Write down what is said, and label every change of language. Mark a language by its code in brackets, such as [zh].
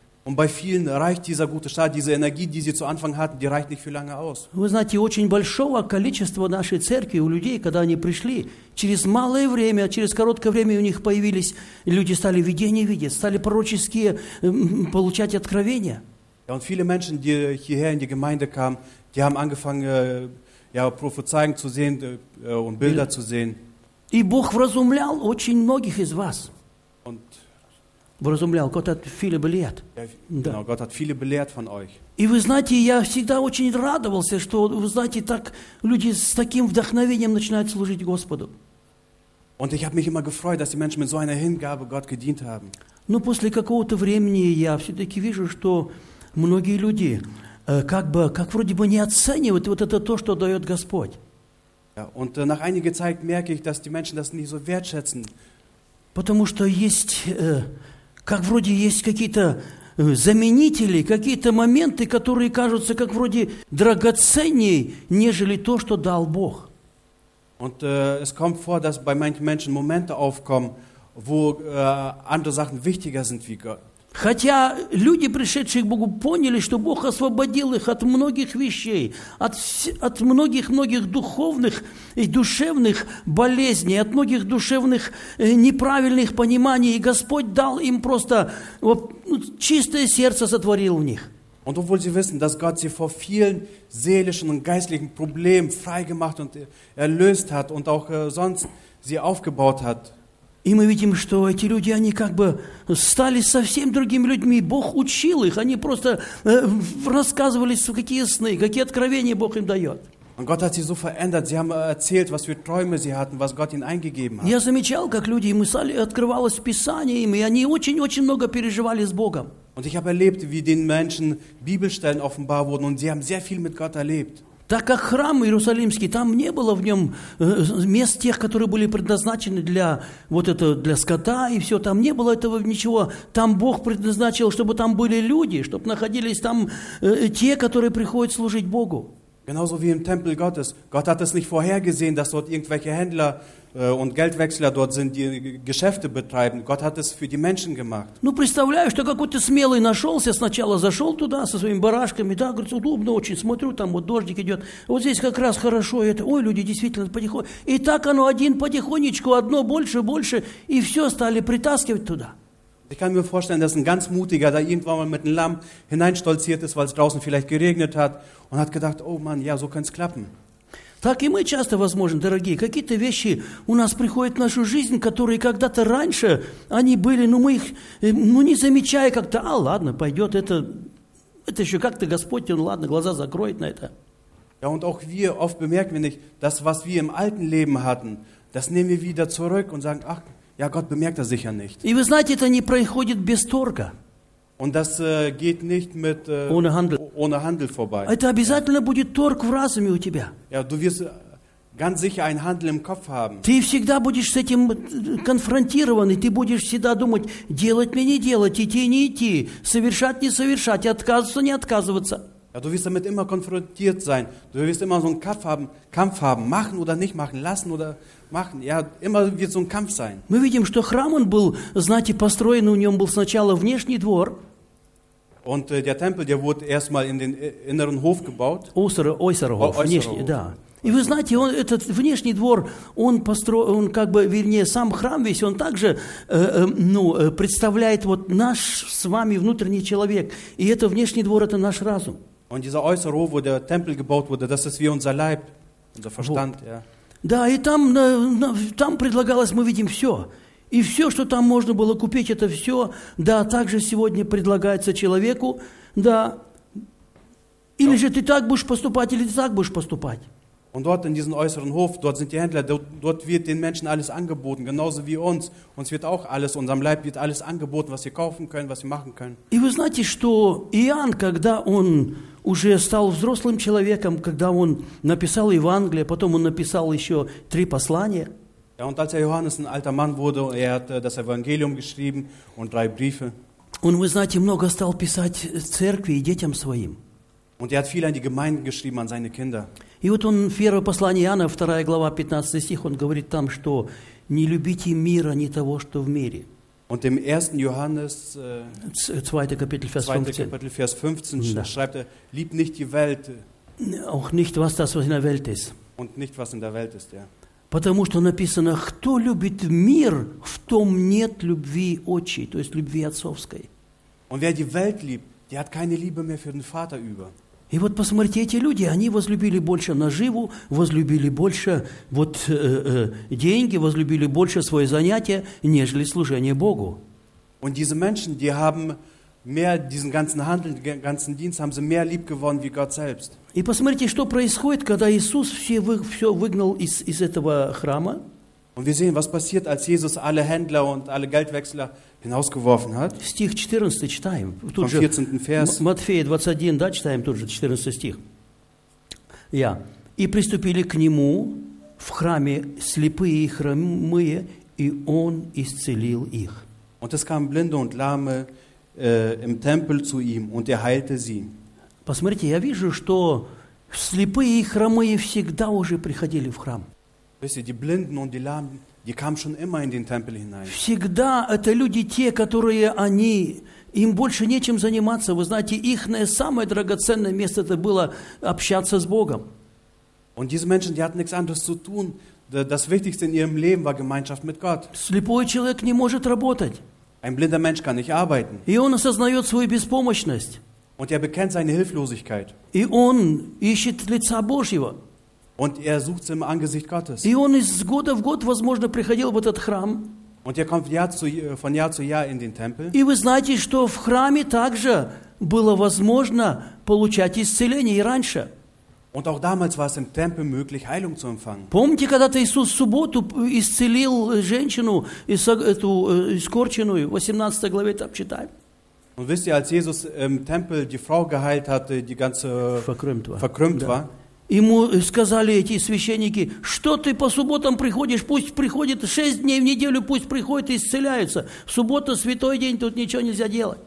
[de] Und bei vielen reicht dieser gute Start, diese Energie, die sie zu Anfang hatten, die reicht nicht für lange aus. [ru] Вы знаете, очень большого количества нашей церкви у людей, когда они пришли, через малое время, через короткое время у них появились, люди стали видения видеть, стали пророческие получать откровения. [de] Ja, und viele Menschen, die hierher in die Gemeinde kamen, die haben angefangen, ja, Prophezeiungen zu sehen und Bilder zu sehen. [ru] И Бог вразумлял очень многих из вас. [de] Und [ru] вразумлял, [de] Gott hat viele belehrt. Yeah, genau, Gott hat viele belehrt von euch. [ru] И вы знаете, я всегда очень радовался, что, вы знаете, так люди с таким вдохновением начинают служить Господу. [de] Und ich habe mich immer gefreut, dass die Menschen mit so einer Hingabe Gott gedient haben. [ru] Но после какого-то времени я все-таки вижу, что многие люди как вроде бы не оценивают вот это то, что дает Господь. [de] Ja, und nach einiger Zeit merke ich, dass die Menschen das nicht so wertschätzen. [ru] Потому что есть, как вроде есть какие-то заменители, какие-то моменты, которые кажутся как вроде драгоценней, нежели то, что дал Бог. [de] Und es kommt vor, dass bei manchen Menschen Momente aufkommen, wo andere Sachen wichtiger sind wie Gott. [ru] Хотя люди, пришедшие к Богу, поняли, что Бог освободил их от многих вещей, от многих-многих духовных и душевных болезней, от многих душевных неправильных пониманий, и Господь дал им просто чистое сердце сотворил в них. [de] Und obwohl sie wissen, dass Gott sie vor vielen seelischen und geistlichen Problemen freigemacht und erlöst hat und auch sonst sie aufgebaut hat. [ru] И мы видим, что эти люди, они как бы стали совсем другими людьми. Бог учил их. Они просто рассказывали, какие сны, какие откровения Бог им дает. [de] Und Gott hat sie so verändert. Sie haben erzählt, was für Träume sie hatten, was Gott ihnen eingegeben hat. [ru] Я замечал, как люди, им открывалось Писание, и они очень-очень много переживали с Богом. [de] Und ich habe erlebt, wie den Menschen Bibelstellen offenbar wurden und sie haben sehr viel mit Gott erlebt. [ru] Так как храм Иерусалимский, там не было в нем мест тех, которые были предназначены для, вот это, для скота и все, там не было этого ничего. Там Бог предназначил, чтобы там были люди, чтобы находились там те, которые приходят служить Богу. [de] Genauso wie im Tempel Gottes. Gott hat es nicht vorhergesehen, dass dort irgendwelche Händler und Geldwechsler dort sind, die Geschäfte betreiben. Gott hat es für die Menschen gemacht. [ru] Ну, представляю, что какой-то смелый нашелся, сначала зашел туда со своими барашками, да, говорит, удобно очень, смотрю, там вот дождик идет, вот здесь как раз хорошо, это, ой, люди действительно потихонечку. И так оно один потихонечку, одно больше, больше, и все стали притаскивать туда. [de] Ich kann mir vorstellen, dass ein ganz Mutiger da irgendwann mal mit einem Lamm hineinstolziert ist, weil es draußen vielleicht geregnet hat und hat gedacht, oh Mann, ja, so kann es klappen. [ru] Так и мы часто, возможно, дорогие, какие-то вещи у нас приходят в нашу жизнь, которые когда-то раньше, они были, но мы их, ну не замечая как-то, а ладно, пойдет, это еще как-то Господь, ну ладно, глаза закроет на это. [de] Ja, und auch wir oft bemerken wir nicht, das, was wir im alten Leben hatten, das nehmen wir wieder zurück und sagen, ach, ja, Gott bemerkt das sicher nicht. [ru] И вы знаете, это не проходит без торга. [de] Und das geht nicht mit ohne Handel vorbei. [ru] Это обязательно будет торг в разуме у тебя. [de] Ja, du wirst ganz sicher einen Handel im Kopf haben. [ru] Ты всегда будешь с этим конфронтирован, и ты будешь всегда думать, делать мне не делать, идти не идти, совершать не совершать, отказываться не отказываться. [de] Ja, du wirst damit immer konfrontiert sein. Du wirst immer so einen Kampf haben, machen oder nicht machen, lassen oder machen. Ja, immer wird so ein Kampf sein. [ru] Мы видим, что храм он был, знаете, построен, у него был сначала внешний двор. [de] Und der Tempel, der wurde erstmal in den inneren Hof gebaut. Äußerer Hof, [ru] внешний, да. И вы знаете, он, этот внешний двор, он построен, он как бы, вернее, сам храм весь, он также представляет вот наш с вами внутренний человек. И это внешний двор, это наш разум. [de] Und dieser äußere Hof, wo der Tempel gebaut wurde, das ist wie unser Leib, unser Verstand. Вот. Ja. [ru] Да, и там, там предлагалось, мы видим все. И все, что там можно было купить, это все, да, также сегодня предлагается человеку, да. Или же ты так будешь поступать, или ты так будешь поступать. [de] Und dort in diesem äußeren Hof, dort sind die Händler, dort wird den Menschen alles angeboten, genauso wie uns. Uns wird auch alles, unserem Leib wird alles angeboten, was wir kaufen können, was wir machen können. [ru] И вы знаете, что Иоанн, когда он уже стал взрослым человеком, когда он написал Евангелие, потом он написал еще три послания. [de] Ja, und als Johannes ein alter Mann wurde, er hat das Evangelium geschrieben und drei Briefe. Und [ru] вы знаете, много стал писать церкви и детям своим. [de] Und er hat viel an die Gemeinden geschrieben, an seine Kinder. [ru] И вот он, первое послание Иоанна, 2 глава, 15 стих, он говорит там, что не любите мира, не того, что в мире. [de] Und im 1. Johannes, 2. Kapitel, Vers 15, 2. Kapitel, Vers 15 da schreibt er, liebt nicht die Welt. Auch nicht, was das, was in der Welt ist. Und nicht, was in der Welt ist, ja. [ru] Потому что написано, кто любит мир, в том нет любви отчей, то есть любви отцовской. [de] Und wer die Welt liebt, der hat keine Liebe mehr für den Vater über. [ru] И вот посмотрите, эти люди, они возлюбили больше наживу, возлюбили больше вот, деньги, возлюбили больше свои занятия, нежели служение Богу. [de] Und diese Menschen, die haben mehr diesen ganzen Handel, den ganzen Dienst, haben sie mehr lieb geworden wie Gott selbst. [ru] И посмотрите, что происходит, когда Иисус все выгнал из этого храма. [de] Und wir sehen, was passiert, als Jesus alle Händler und alle Geldwechsler hinausgeworfen hat. [ru] Стих 14 читаем. Тут же, [de] 14. Vers. [ru] Матфея 21, да, читаем тут же 14 стих. [de] Ja. [ru] И приступили к нему в храме слепые и хромые, и он исцелил их. [de] Und es kamen Blinde und Lahme im Tempel zu ihm und er heilte sie. [ru] Посмотрите, я вижу, что слепые и хромые всегда уже приходили в храм. [de] Wisst ihr, die Blinden und die Lahmen, die kamen schon immer in den Tempel hinein. [ru] Всегда это люди те, которые они, им больше нечем заниматься. Вы знаете, их самое драгоценное место это было общаться с Богом. [de] Und diese Menschen, die hatten nichts anderes zu tun. Das Wichtigste in ihrem Leben war Gemeinschaft mit Gott. [ru] Слепой человек не может работать. [de] Ein blinder Mensch kann nicht arbeiten. [ru] И он осознает свою беспомощность. [de] Und er bekennt seine Hilflosigkeit. [ru] И он ищет лица Божьего. [de] Und er sucht im Angesicht Gottes. [ru] И он из года в год, возможно, приходил в этот храм. [de] Und er kommt Jahr zu, von Jahr zu Jahr in den Tempel. [ru] И вы знаете, что в храме также было возможно получать исцеление и раньше. [de] Und auch damals war es im Tempel möglich, Heilung zu empfangen. [ru] Помните, когда-то Иисус в субботу исцелил женщину, эту искорченную, 18 главе там читаем. [de] Und wisst ihr, als Jesus im Tempel die Frau geheilt hatte, die ganze verkrümmt war. [ru] Ему сказали эти священники, что ты по субботам приходишь, пусть приходит 6 дней в неделю, пусть приходит и исцеляется. Суббота святой день, тут ничего нельзя делать.